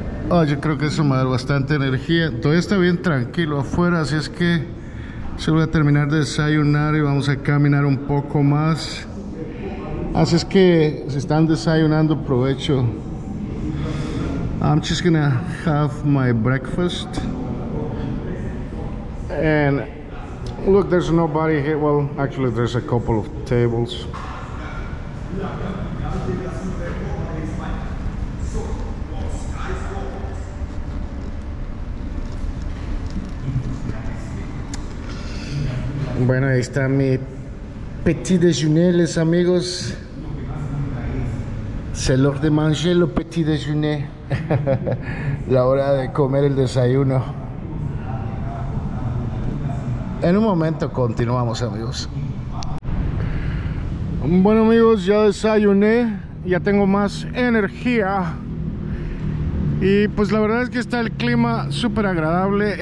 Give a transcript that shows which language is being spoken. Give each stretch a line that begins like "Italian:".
Spanish: Oh, yo creo que eso me da bastante energía. Todavía está bien tranquilo afuera, así es que se voy a terminar de desayunar y vamos a caminar un poco más. Así es que si están desayunando, provecho.
English: I'm just gonna have my breakfast. And look, there's nobody here. Well, actually there's a couple of tables.
Spanish: Bueno, ahí está mi
French: petit déjeuner,
Spanish: amigos.
French: C'est l'heure de manger le petit déjeuner.
Spanish: La hora de comer el desayuno. En un momento continuamos, amigos. Bueno, amigos, ya desayuné. Ya tengo más energía. Y pues la verdad es que está el clima súper agradable.